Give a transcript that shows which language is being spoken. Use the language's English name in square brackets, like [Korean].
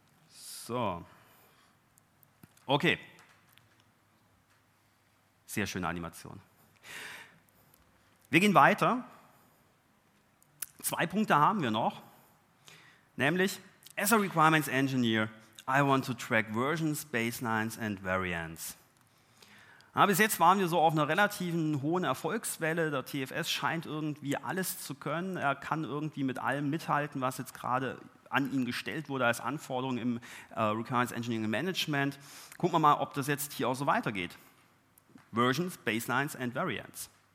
[German] So. Okay. Sehr schöne Animation. Wir gehen weiter. Zwei Punkte haben wir noch. [English] Nämlich, as a requirements engineer, I want to track versions, baselines and variants. [German] Ja, bis jetzt waren wir so auf einer relativen hohen Erfolgswelle. Der TFS scheint irgendwie alles zu können. Er kann irgendwie mit allem mithalten, was jetzt gerade an ihn gestellt wurde als Anforderung im Requirements Engineering Management. Gucken wir mal, ob das jetzt hier auch so weitergeht. [English] Versions, baselines and variants.